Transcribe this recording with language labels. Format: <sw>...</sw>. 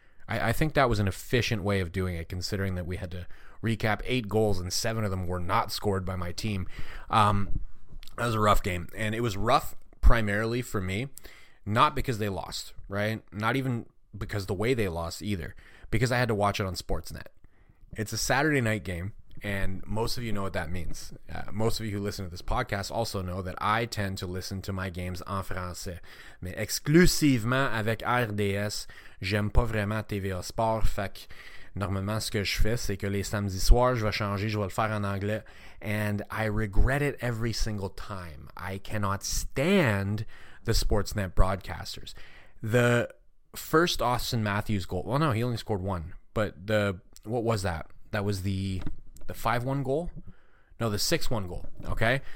<en>I think that was an efficient way of doing it, considering that we had to recap 8 goals and 7 of them were not scored by my team. That was a rough game, and it was rough primarily for me, Not because they lost, right? Not even because the way they lost either. Because I had to watch it on Sportsnet. It's a Saturday night game, and most of you know what that means. Most of you who listen to this podcast also know that I tend to listen to my games</en> <fr>en français. Mais exclusivement avec RDS, j'aime pas vraiment TVA Sport. Fait que normalement, ce que je fais, c'est que les samedis soirs, je vais changer, je vais le faire en anglais.</fr> <en>And I regret it every single time. I cannot stand the Sportsnet broadcasters. The first Austin Matthews goal. Well, no, he only scored one. But the, what was that? That was the 5-1 goal? No, the 6-1 goal. Okay?</en>